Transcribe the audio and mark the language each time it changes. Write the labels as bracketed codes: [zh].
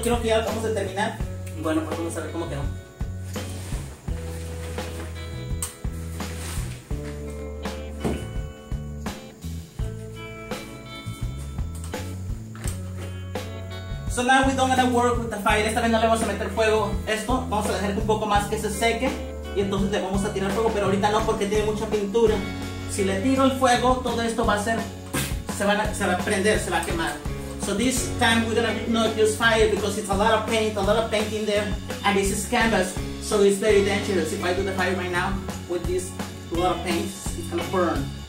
[es] Creo que ya vamos a terminar. Bueno, pues vamos a ver cómo quedó. [en] So now we don't gonna work with the fire. [es] Esta vez no le vamos a meter fuego. Esto vamos a dejar un poco más que se seque y entonces le vamos a tirar fuego, pero ahorita no porque tiene mucha pintura. Si le tiro el fuego, todo esto va a ser, se va a prender, se va a quemar. [en] So this time we're gonna not use fire because it's a lot of paint in there, and this is canvas, so it's very dangerous. If I do the fire right now with this lot of paint, it's gonna burn.